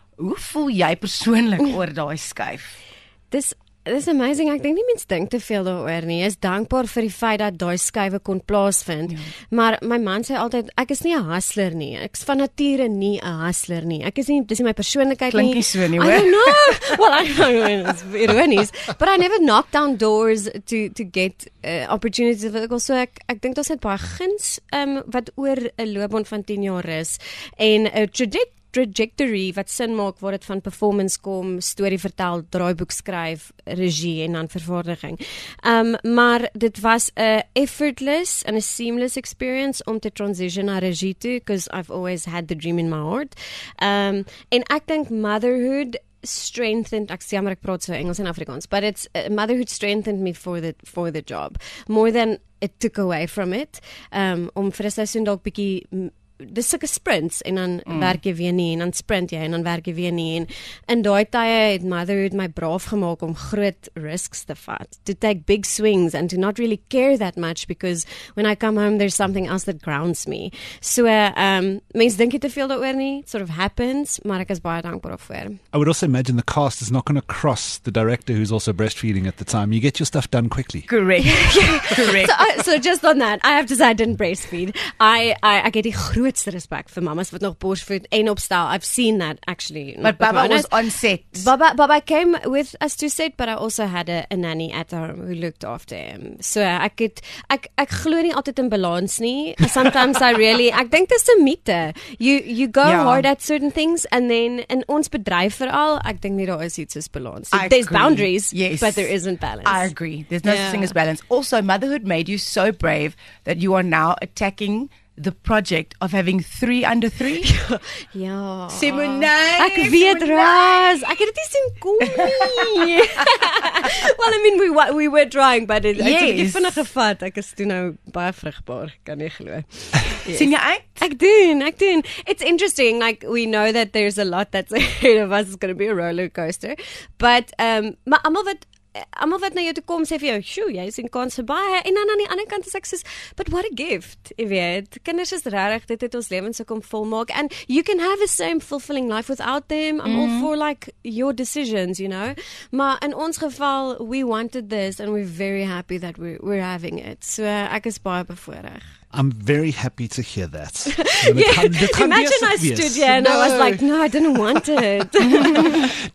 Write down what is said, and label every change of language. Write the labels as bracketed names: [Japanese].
[Afrikaans] Hoe voel jy persoonlik oor daai skuif? Dis amazing. Ek dink nie mens dink te veel daaroor nie. Is dankbaar vir die feit dat daai skuwe kon plaasvind. Ja. Maar my man sê altyd, ek is nie 'n hustler nie. Ek's van nature nie 'n hustler nie. Ek is nie, dis nie my persoonlikheid nie. Klinkie so nie, hoor. [English] I don't know. Well, I don't know. It's ironies. But I never knock down doors to get opportunities. [Afrikaans] So ek dink dit is net baie guns wat oor 'n loopbaan van 10 jaar is. En 'n trajectory wat sin maak waar dit van performance kom, storie vertel, draaiboek skryf, regie en dan vervaardiging. Maar dit was 'n [English] effortless and a seamless experience [Afrikaans] om te [English] transition [Afrikaans] na regie toe, [English] because I've always had the dream in my heart. [Afrikaans] En ek dink [English] motherhood strengthened, [Afrikaans] ek sê maar ek praat so Engels en Afrikaans, [English] but it's motherhood strengthened me for the job more than it took away from it. [Afrikaans] Om vir 'n seisoen dalk bietjie dis sulke sprints en dan werk jy weer nie en dan sprint jy en dan werk jy weer nie en in daai tye het motherhood my braaf gemaak om groot risks te vat, [English] to take big swings and to not really care that much because when I come home there's something else that grounds me. [Afrikaans] So mens dink jy te veel daaroor nie, it sort of happens, maar ek is baie dankbaar daarvoor. [English] I would also imagine the cast is not going to cross the director who's also breastfeeding at the time. You get your stuff done quickly. Correct. Correct. So just on that, I have to say I didn't breastfeed. I get [Afrikaans] die grootste respect vir mamas wat nog borsvoed en opstel. [English] I've seen that actually. But Baba was on set. Baba came with us to set, but I also had a nanny at home who looked after him. [Afrikaans] So ek glo nie altyd in balans nie. [English] Sometimes I really, [Afrikaans] ek dink dis 'n mite. [English] You go hard at certain things and then in [Afrikaans] ons bedryf veral, ek dink nie daar is iets soos balans. [English] There's boundaries, but there isn't balance. I agree. There's no such thing as balance. Also, motherhood made you so brave that you are now attacking the project of having 3 under 3. Yeah. Simonei! [Afrikaans] Ek weet, Roz! Ek het dit nie sien kom nie. [English] Well, I mean, we were trying, but it's a bit [Afrikaans] vinnig gevat. Ek is toe nou baie vrugbaar, kan nie glo. Sien jy uit? Ek doen. [English] It's interesting, like, we know that there's a lot that's ahead of us. It's going to be a roller coaster. But, [Afrikaans] maar amal wat na jou toe kom sê vir jou, "Sjoe, jy sien kans vir baie." En dan aan die ander kant is ek soos, [English] "But what a gift." [Afrikaans] Jy weet, kinders is regtig, dit het ons lewens so kom volmaak. [English] And you can have a same fulfilling life without them. I'm all for like your decisions, you know. [Afrikaans] Maar in ons geval, [English] we wanted this and we're very happy that we're having it. [Afrikaans] So ek is baie bevoorreg. [English] I'm very happy to hear that. Yeah. Imagine I stood here and no. I was like, no, I didn't want it.